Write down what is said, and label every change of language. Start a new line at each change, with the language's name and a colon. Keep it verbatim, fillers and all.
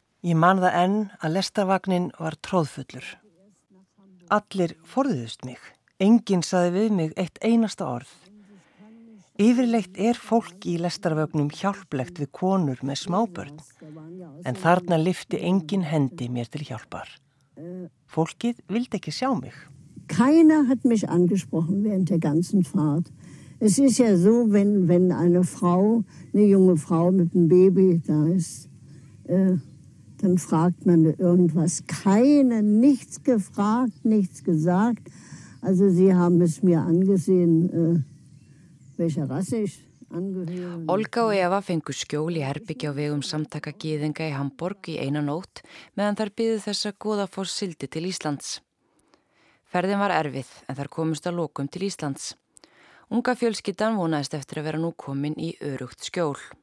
Icelandic: Ég man það enn að lestarvagnin var tróðfullur. Allir forðuðust mig. Enginn sagði við mig eitt einasta orð. Yfirleitt er fólk í lestarvagnum hjálplegt við konur með smábörn, en þarna lyfti enginn hendi mér til hjálpar. Fólkið vildi ekki sjá mig.
German: Keiner hat mich angesprochen während der ganzen Fahrt. Es ist ja so, wenn, wenn eine Frau, eine junge Frau mit einem Baby da ist, äh, dann fragt man irgendwas. Keiner, nichts gefragt, nichts gesagt. Also sie haben es mir angesehen, äh, welcher Rasse ich angehöre.
Icelandic: Olga og Eva fengu skjól í herbyggja á vegum samtaka gyðinga í Hamborg í eina nótt meðan þær biðu þess að Goðafoss sigldi til Íslands. Ferðin var erfið en þær komust að lokum til Íslands. Unga fjölskyldan vonaðist eftir að vera nú komin í örugt skjól.